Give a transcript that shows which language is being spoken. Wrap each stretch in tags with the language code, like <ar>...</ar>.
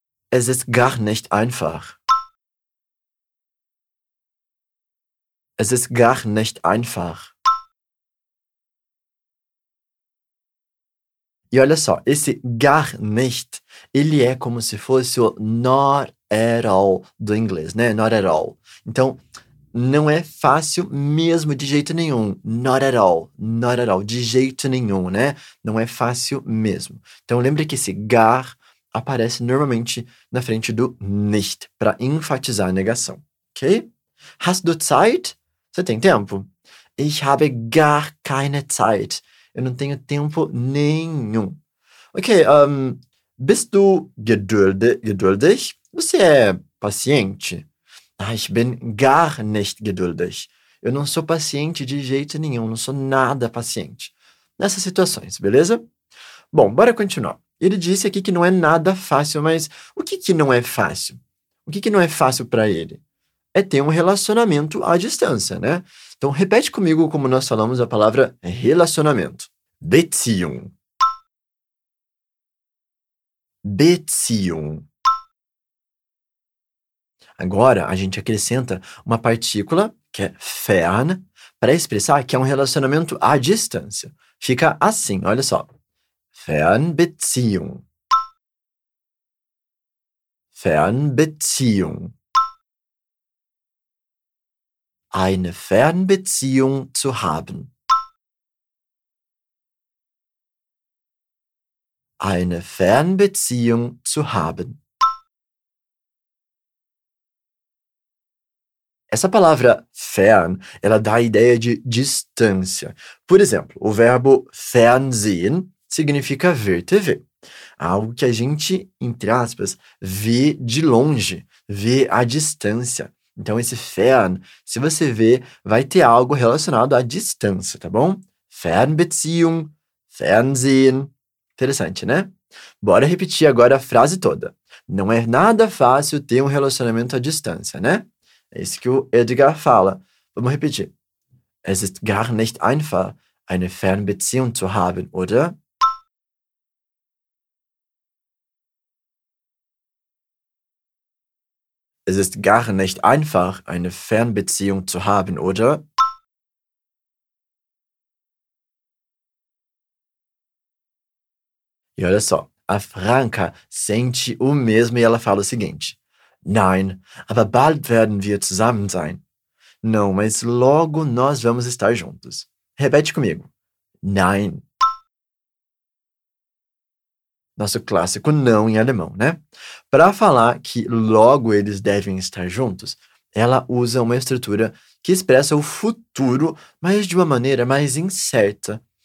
<de>Es ist gar nicht einfach. Es ist gar nicht einfach.</de> <pt>E olha só, esse gar nicht, ele é como se fosse o</pt> <en>not at all</en> <pt>do inglês, né?</pt> <en>Not at all.</en> <pt>Então, não é fácil mesmo de jeito nenhum.</pt> <en>Not at all. Not at all.</en> <pt>De jeito nenhum, né? Não é fácil mesmo. Então, lembre que esse gar aparece normalmente na frente do nicht, para enfatizar a negação.</pt> <de>Ok? Hast du Zeit?</de> <pt>Você tem tempo?</pt> <de>Ich habe gar keine Zeit.</de> <pt>Eu não tenho tempo nenhum.</pt> <de>Ok, bist du geduldig?</de> <pt>Você é paciente?</pt> <de>Ich bin gar nicht geduldig.</de> <pt>Eu não sou paciente de jeito nenhum, não sou nada paciente. Nessas situações, beleza? Bom, bora continuar. Ele disse aqui que não é nada fácil, mas o que que não é fácil? O que que não é fácil para ele? É ter um relacionamento à distância, né? Então, repete comigo como nós falamos a palavra relacionamento. Beziehung.</pt> <de>Beziehung.</de> <pt>Agora, a gente acrescenta uma partícula, que é fern, para expressar que é um relacionamento à distância. Fica assim, olha só. Fernbeziehung.</pt> <de>Fernbeziehung. Eine Fernbeziehung zu haben. Eine Fernbeziehung zu haben.</de> <pt>Essa palavra fern, ela dá a ideia de distância. Por exemplo, o verbo fernsehen significa ver TV. Algo que a gente, entre aspas, vê de longe, vê à distância. Então, esse fern, se você vê, vai ter algo relacionado à distância, tá bom?</pt> <de>Fernbeziehung, fernsehen.</de> <pt>Interessante, né? Bora repetir agora a frase toda. Não é nada fácil ter um relacionamento à distância, né? É isso que o Edgar fala. Vamos repetir.</pt> <de>Es ist gar nicht einfach, eine Fernbeziehung zu haben, oder? Es ist gar nicht einfach, eine Fernbeziehung zu haben, oder?</de> <pt>E olha só, a Franca sente o mesmo e ela fala o seguinte.</pt> <de>Nein, aber bald werden wir zusammen sein.</de> <pt>Não, mas logo nós vamos estar juntos. Repete comigo. Nein. Nosso clássico não em alemão, né? Para falar que logo eles devem estar juntos, ela usa uma estrutura que expressa o futuro, mas de uma maneira mais incerta.</pt>